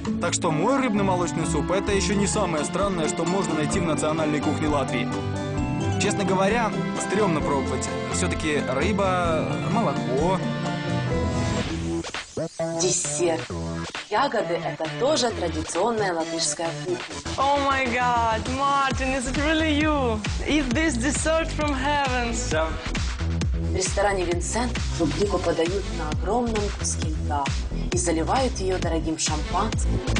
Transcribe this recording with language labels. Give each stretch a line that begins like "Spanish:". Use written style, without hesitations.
Russian: Так что мой рыбно-молочный суп – это еще не самое странное, что можно найти в национальной кухне Латвии. Честно говоря, стрёмно пробовать. Все-таки рыба, молоко. Десерт. Ягоды – это тоже традиционная латышская кухня.
English: Oh my God, Martin, is it really you? Is this dessert from heaven? Yeah.
Russian: В ресторане «Винсент» клубнику подают на огромном куске льда и заливают ее дорогим шампанским.